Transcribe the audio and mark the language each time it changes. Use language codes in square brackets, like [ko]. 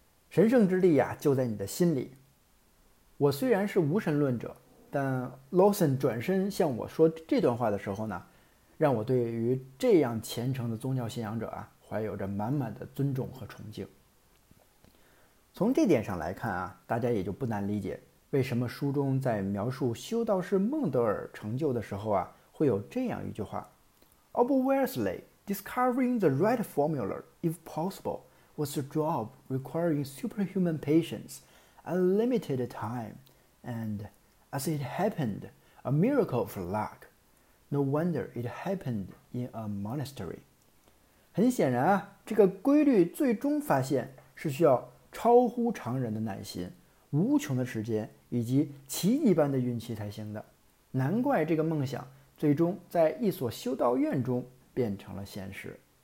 [zh] 神圣之地呀，就在你的心里。”我虽然是无神论者，但 Lawson 转身向我说这段话的时候呢，让我对于这样虔诚的宗教信仰者啊，怀有着满满的尊重和崇敬。从这点上来看啊，大家也就不难理解为什么书中在描述修道士孟德尔成就的时候啊，会有这样一句话： [en] “Obviously, discovering the right formula, if possible, was a job requiring superhuman patience, unlimited time, and, as it happened, a miracle of luck. No wonder it happened in a monastery。” [zh] 很显然啊，这个规律最终发现是需要超乎常人的耐心、无穷的时间以及奇迹般的运气才行的。难怪这个梦想最终在一所修道院中变成了现实。